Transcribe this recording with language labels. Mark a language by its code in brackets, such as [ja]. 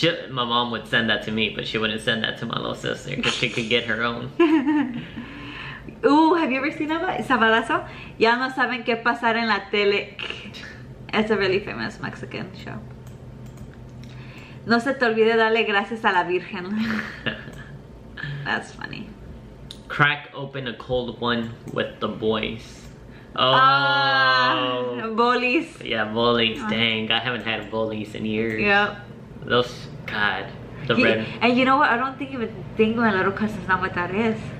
[en] My mom would send that to me, but she wouldn't send that to my little sister because she could get her own. Ooh, have you ever seen that? Sabadazo? [es] Ya no saben qué pasar en la tele. [en] It's a really famous Mexican show. [es] No se te olvide darle gracias a la Virgen. [en] That's funny. Crack open a cold one with the boys. Oh, bullies. Yeah, bullies. Dang, I haven't had bullies in years. Yep. Those, God, the red. And you know what? I don't think even think my little cousins know what that is.